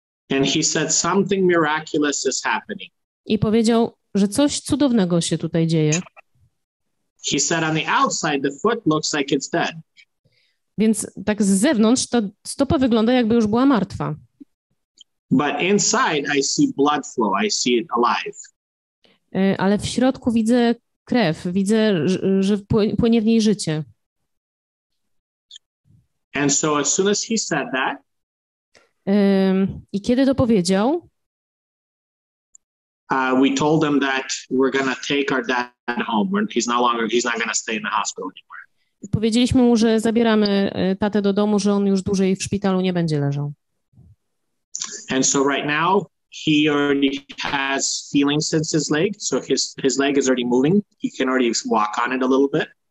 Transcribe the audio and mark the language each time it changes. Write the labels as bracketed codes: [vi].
[en] And he said something miraculous is happening. [pl] I powiedział, że coś cudownego się tutaj dzieje. [en] He said on the outside the foot looks like it's dead. [pl] Więc tak z zewnątrz ta stopa wygląda, jakby już była martwa. [en] But inside I see blood flow, I see it alive. [pl] Ale w środku widzę krew, widzę, że płynie w niej życie. [en] And so as soon as he said that, [pl] i kiedy to powiedział, [en] we told him that we're gonna take our dad home. He's not gonna stay in the hospital anymore. [pl] Powiedzieliśmy mu, że zabieramy tatę do domu, że on już dłużej w szpitalu nie będzie leżał. [en] And so right now he already has feeling since his leg, so his leg is already moving. He can already walk on it a little bit.